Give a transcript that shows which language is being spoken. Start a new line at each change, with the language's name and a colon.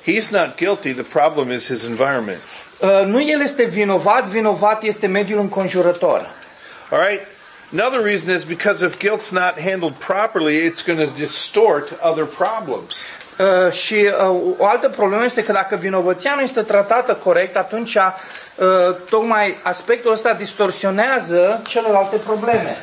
English: He's not guilty, the problem is his environment.
Romanian: Nu el este vinovat, vinovat este mediul înconjurător.
English: All right. Another reason is because if guilt's not handled properly, it's going to distort other problems.
Romanian: Și o altă problemă este că dacă vinovăția nu este tratată corect, atunci tocmai aspectul ăsta distorsionează celelalte probleme.